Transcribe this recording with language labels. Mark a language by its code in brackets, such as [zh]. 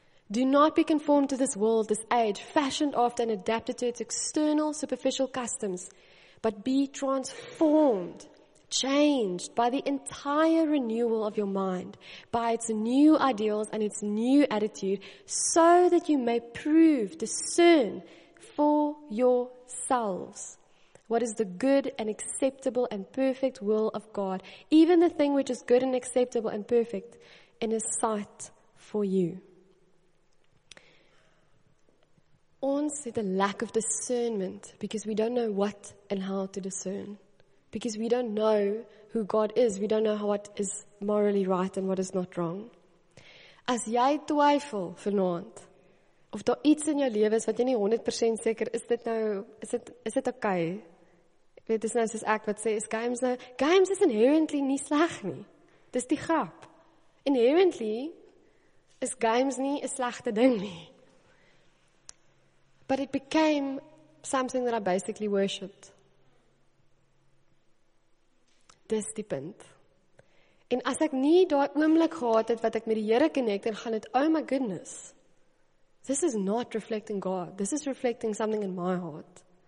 [en] Do not be conformed to this world, this age, fashioned after and adapted to its external, superficial customs, but be transformed, changed by the entire renewal of your mind, by its new ideals and its new attitude, so that you may prove, discern for yourselves what is the good and acceptable and perfect will of God, even the thing which is good and acceptable and perfect in His sight for you. [af] Ons het 'n [en] lack of discernment because we don't know what and how to discern. Because we don't know who God is. We don't know what is morally right and what is not wrong. [af] As jy twyfel vanaand, of daar iets in jou lewe is wat jy nie 100% seker is, is dit okay? Dit is nou soos ek wat sê, is games nou, games is inherently nie sleg nie. Dis die grap. Inherently is games nie 'n slegte ding nie. [en] But it became something that I basically worshipped. [af] Dis die punt. En as ek nie daai oomblik gehad het wat ek met die Here connect, dan gaan dit, [en] oh my goodness. This is not reflecting God. This is reflecting something in my heart.